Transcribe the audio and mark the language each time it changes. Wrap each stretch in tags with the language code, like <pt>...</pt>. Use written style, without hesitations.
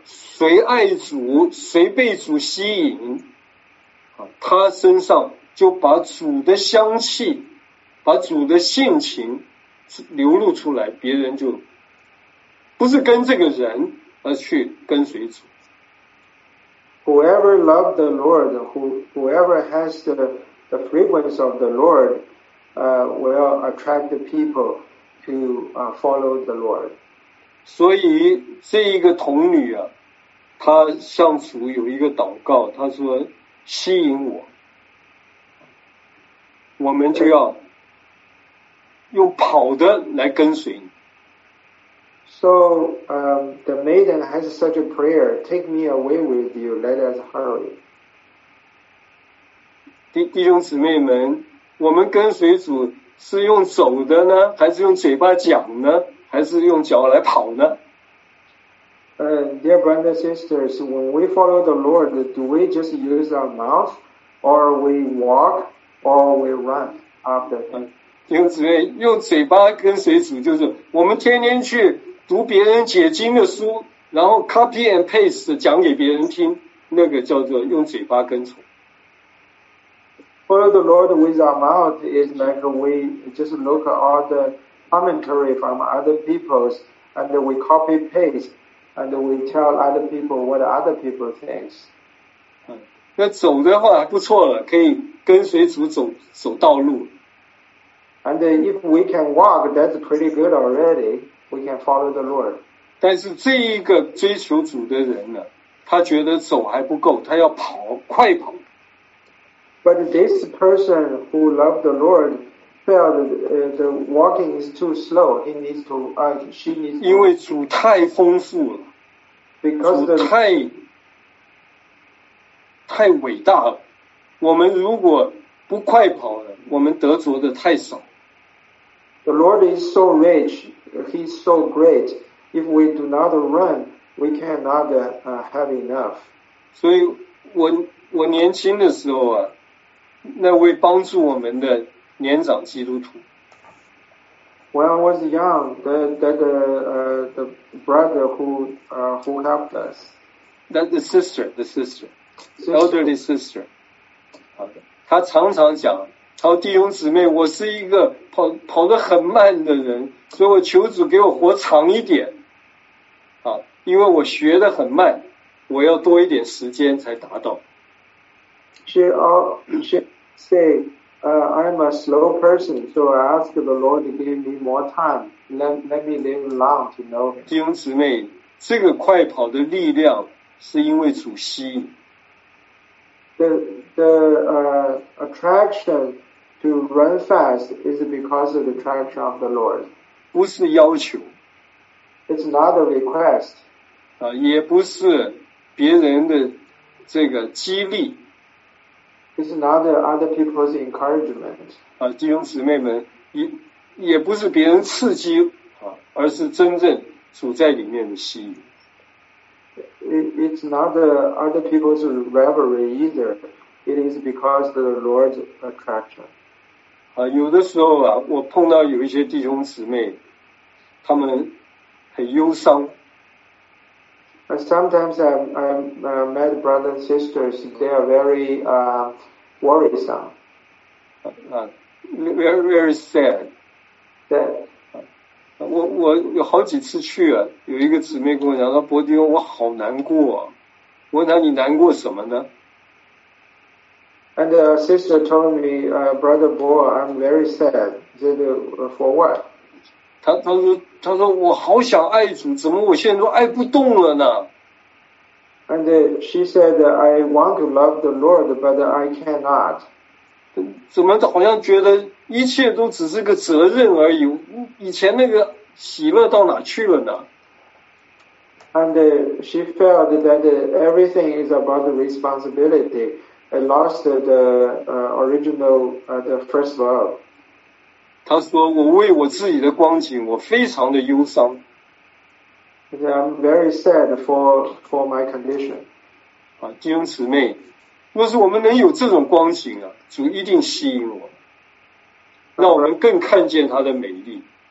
<zh>谁爱主，谁被主吸引，他身上就把主的香气，把主的性情流露出来，别人就不是跟这个人，而去跟随主。</zh> <en>Whoever loved the Lord, whoever has the fragrance of the Lord will attract the people to follow the Lord.</en> <zh>所以这一个童女啊，她向主有一个祷告，她说吸引我，我们就要用跑的来跟随你。</zh> <en>So the maiden has such a prayer, take me away with you, let us hurry.</en> <zh>弟兄姊妹们，我们跟随主是用走的呢，还是用嘴巴讲呢，还是用脚来跑呢？</zh> <en>Dear brothers and sisters, when we follow the Lord, do we just use our mouth, or we walk, or we run after Him?</en> <zh>弟兄姊妹，用嘴巴跟随主，就是我们天天去读别人解经的书，然后</zh> <en>copy and paste</en> <zh>讲给别人听，那个叫做用嘴巴跟从。</zh> <en>Follow the Lord with our mouth is like we just look at all the commentary from other people's and we copy paste and we tell other people what other people think.</en> <zh>那走的话不错了，可以跟随主走道路。</zh> <en>And if we can walk, that's pretty good already. We can follow the Lord.</en> <zh>但是这一个追求主的人呢，他觉得走还不够，他要跑，快跑。</zh> <en>But this person who loved the Lord felt the walking is too slow. He needs to, she needs to.</en> <zh>因为主太丰富了。</zh> <en>Because</en> <zh>主太伟大了。我们如果不快跑了，我们得着的太少。</zh> <en>The Lord is so rich, He's so great. If we do not run, we cannot have enough.</en> <zh>所以我年轻的时候啊，那位帮助我们的年长基督徒。</zh> <en>When I was young, the brother who helped us. That the sister, elderly sister.</en> <zh>他常常讲。好，弟兄姊妹，我是一个跑得很慢的人，所以我求主给我活长一点，啊，因为我学得很慢，我要多一点时间才达到。</zh> <en>She say, I'm a slow person, so I ask the Lord to give me more time, let me live long to know Him.</en> <zh>弟兄姊妹，这个快跑的力量是因为主吸引。</zh> <en>The attraction to run fast is because of the attraction of the Lord.</en> <zh>不是要求。</zh> <en>It's not a request.</en> <zh>也不是别人的这个激励。</zh> <en>It's not other people's encouragement.</en> <zh>弟兄姊妹们，也不是别人刺激，而是真正处在里面的吸引。</zh> <en>It's not the other people's reverie either. It is because the Lord's attraction.</en> <zh>有的时候啊，我碰到有一些弟兄姊妹，他们很忧伤。</zh> <en>Sometimes I met brothers and sisters. They are very worrisome. Very very sad. That.</en> <zh>我有好几次去啊，有一个姊妹跟我讲说，伯弟兄，我好难过啊。我问他你难过什么呢</zh> <en>？And a sister told me, brother Bo, I'm very sad. Said for what?</en> <zh>他说我好想爱主，怎么我现在都爱不动了呢</zh> <en>？And she said I want to love the Lord, but I cannot.</en> <zh>怎么好像觉得？一切都只是个责任而已，以前那个喜乐到哪去了呢</zh> <en>？And she felt that everything is about the responsibility. I lost the original, the first love.</en> <zh>她说：“我为我自己的光景，我非常的忧伤。</zh> <en>I'm very sad for my condition.</en> <zh>弟兄姊妹，若是我们能有这种光景啊，主一定吸引我。” 让我们更看见他的美丽。</zh>